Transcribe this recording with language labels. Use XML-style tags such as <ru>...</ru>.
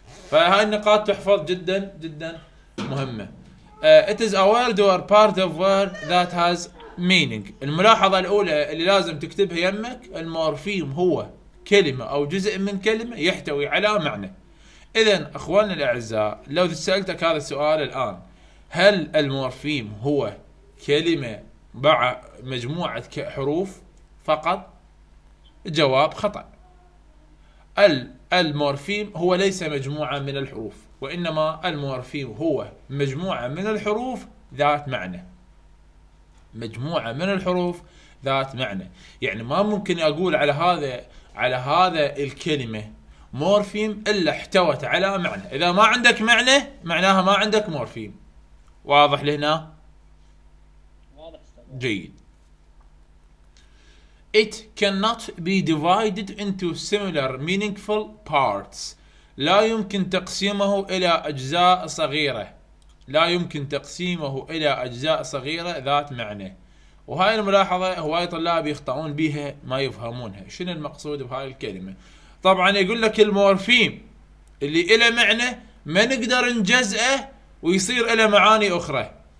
<ar>فهاي النقاط تحفظ جدا جدا مهمه.</ar> <en>it is a word or part of word that has meaning.</en> <ar>الملاحظه الاولى اللي لازم تكتبها يمك، المورفين هو كلمه او جزء من كلمه يحتوي على معنى. اذا اخواننا الاعزاء، لو سالتك هذا السؤال الان، هل المورفيم هو كلمة مع مجموعة حروف فقط؟ الجواب خطأ. المورفيم هو ليس مجموعة من الحروف، وإنما المورفيم هو مجموعة من الحروف ذات معنى. مجموعة من الحروف ذات معنى، يعني ما ممكن أقول على هذا الكلمة مورفيم إلا احتوت على معنى. إذا ما عندك معنى معناها ما عندك مورفيم. واضح لهنا؟ جيد.</ar> <en>It cannot be divided into similar meaningful parts.</en> <ar>لا يمكن تقسيمه إلى أجزاء صغيرة. لا يمكن تقسيمه إلى أجزاء صغيرة ذات معنى. وهاي الملاحظة هواي طلاب يخطئون بها، ما يفهمونها. شنو المقصود بهاي الكلمة؟ طبعا يقول لك المورفيم اللي إله معنى ما نقدر نجزئه ويصير له معاني اخرى.</ar>